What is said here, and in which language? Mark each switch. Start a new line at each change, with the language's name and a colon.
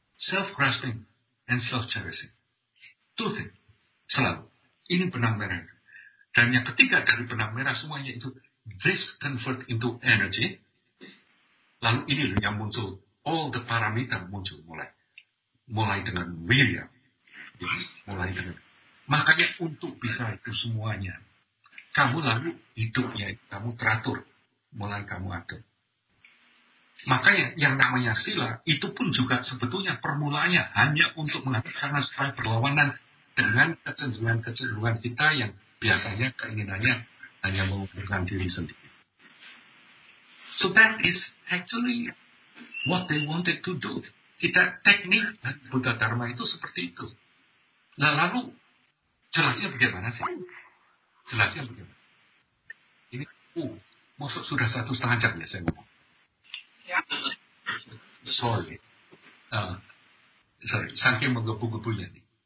English: Self-grasping and self-cherishing. Two things.
Indonesian: Selalu. Ini benang merah. Dan yang ketiga dari benang merah semuanya itu.
English: This convert into energy.
Indonesian: Lalu ini yang muncul.
English: All the parameter
Indonesian: muncul mulai. Mulai dengan wirya. Mulai dengan. Makanya untuk bisa itu semuanya, kamu lalu hidupnya, kamu teratur, mulai kamu atur. Makanya yang namanya sila, itu pun juga sebetulnya permulaannya hanya untuk mengatur, karena supaya berlawanan dengan kecenderungan-kecenderungan kita yang biasanya keinginannya hanya mengukurkan diri sendiri.
English: So that is actually what they wanted to do.
Indonesian: Kita teknik Buddha Dharma itu seperti itu. Nah, lalu jelasnya bagaimana sih? Jelasnya bagaimana? Ini, maksud sudah 1.5 jam ya saya ngomong. Ya. Sorry. Sorry, saking menggebu-gebunya nih.